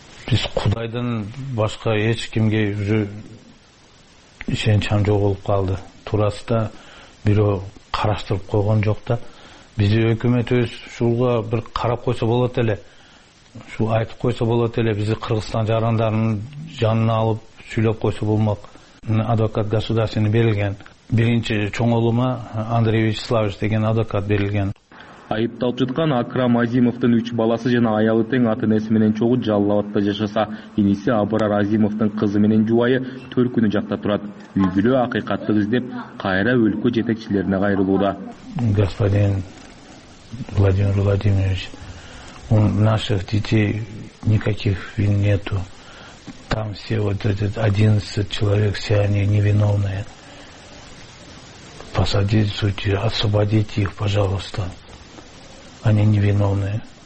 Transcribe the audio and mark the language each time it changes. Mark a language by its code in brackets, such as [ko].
[ky] Биз Кудайдан башка эч кимге уже ишенчам жок болуп калды. Туурасы да бирөө караштырып койгон жок да. Бизди өкмөт өз ушуга бир карап койсо болот эле, ушу айтып койсо болот эле, бизди Кыргызстан жарандарынын жанына алып сүйлөп койсо болмок. Адвокат государственный берилген. Биринчи чоңолума Андреевич Славович деген адвокат берилген. Айыпталып жаткан Акрам Азимовдун 3 баласы жана аялы тең ата энеси менен чогуу Жалалабадта жашаса, иниси Абрар Азимовдун кызы менен жубайы төркүнү жакта турат. Үй бүлө акыйкатты издеп кайра өлкө жетекчилерине кайрылууда. [ru] Господин Владимир Владимирович, у наших детей никаких вин нету. Там все вот этот 11 человек, все они невиновные. Посадите судьи, освободите их, пожалуйста. Они невиновные.